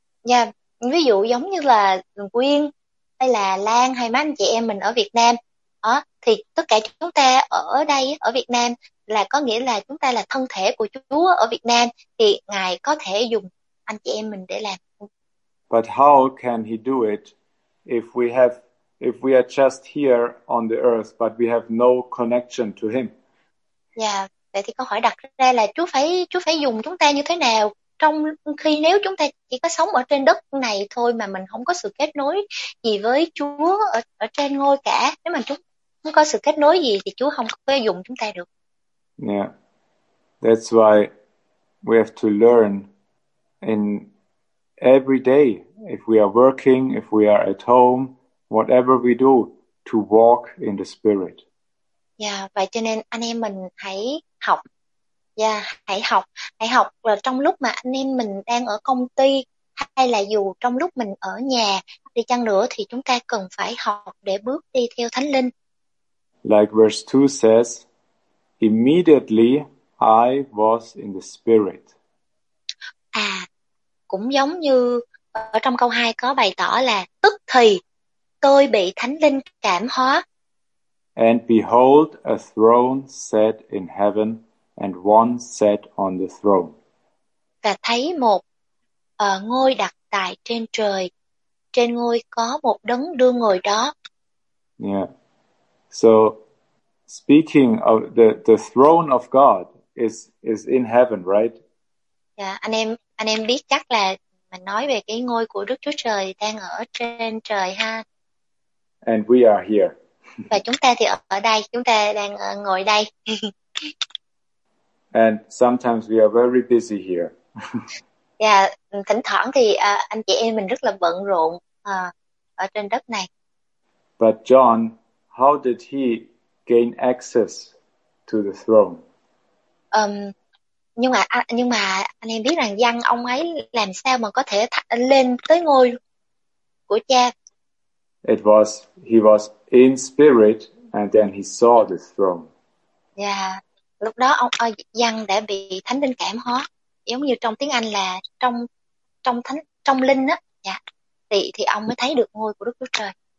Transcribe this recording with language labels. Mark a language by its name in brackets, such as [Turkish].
[Vietnamese] Yeah, ví dụ giống như là Nguyên hay là Lan hay mấy anh chị em mình ở Việt Nam đó, thì tất cả chúng ta ở đây ở Việt Nam là có nghĩa là chúng ta là thân thể của Chúa ở Việt Nam, thì Ngài có thể dùng anh chị em mình để làm. [English] But how can He do it if we are just here on the earth but we have no connection to Him? [Vietnamese] Yeah, vậy thì câu hỏi đặt ra là Chúa phải dùng chúng ta như thế nào, trong khi nếu chúng ta chỉ có sống ở trên đất này thôi mà mình không có sự kết nối gì với Chúa ở trên ngôi cả, nếu mà chúng không có sự kết nối gì thì Chúa không có dùng chúng ta được. [English] Yeah, that's why we have to learn in every day, if we are working, if we are at home, whatever we do, to walk in the Spirit. [Vietnamese] Yeah, vậy cho nên anh em mình hãy học. Yeah, hãy học là trong lúc mà anh em mình đang ở công ty hay là dù trong lúc mình ở nhà đi chăng nữa, thì chúng ta cần phải học để bước đi theo Thánh Linh. [English] Like verse 2 says, immediately I was in the Spirit. [Vietnamese] À, cũng giống như ở trong câu 2 có bày tỏ là tức thì tôi bị Thánh Linh cảm hóa. [English] And behold, a throne set in heaven and one set on the throne. [Vietnamese] Và thấy một ngôi đặt tại trên trời, trên ngôi có một đấng đương ngồi đó. [English] Yeah. So speaking of the throne of God is in heaven, right? [Vietnamese] Yeah, anh em biết chắc là mình nói về cái ngôi của Đức Chúa Trời đang ở trên trời ha. [English] And we are here. [Vietnamese] Và chúng ta thì ở đây, chúng ta đang ngồi đây. [English] And sometimes we are very busy here. [Vietnamese] Yeah, thỉnh thoảng thì anh chị em mình rất là bận rộn ở trên đất này. [English] But John, how did he gain access to the throne? [Vietnamese] Nhưng mà anh em biết rằng Giăng ông ấy làm sao mà có thể lên tới ngôi của Cha? [English] It was, he was in spirit and then he saw the throne. [Vietnamese] Yeah, lúc đó ông Giăng đã bị Thánh Linh cảm hóa, giống như trong tiếng Anh là trong linh á. Yeah. Thì ông mới thấy được ngôi của Đức Chúa Trời.